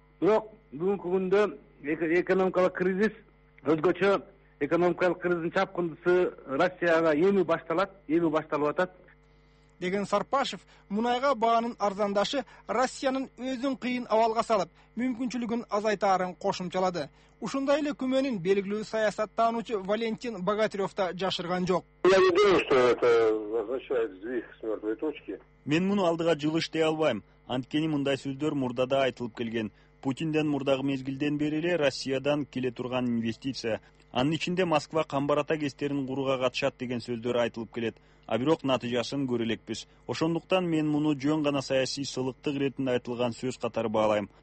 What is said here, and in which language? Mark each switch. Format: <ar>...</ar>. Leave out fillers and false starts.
<ky>Бирок бүгүнкү күндө экономикалык кризис, өзгөчө экономикалык кризистин чапкындысы Россияга эми башталып атат. Деген Сарпашев, мунайга баанын арзандашы Россиянын өзүн кыйын абалга салып, мүмкүнчүлүгүн азайтаарын кошумчалады. Ушундай эле күмөнүн белгилүү саясаттануучу Валентин Богатырев да жашырган жок.</ky> <ru>Я не думаю, что это означает сдвиг с мёртвой точки.</ru> <ky>Мен муну алдыга жылыш дей албайм, анткени мындай сөздөр мурда да айтылып келген. Путинден мурдагы мезгилден бери эле Россиядан келе турган инвестиция, анын ичинде Москва Камбарата ГЭС-терин курууга катышат деген сөздөр айтылып келет. А бирок натыйжасын көрө элекпиз. Ошондуктан мен муну жөн гана саясий сылыктык иретинде айтылган сөз катары баалайм.</ky>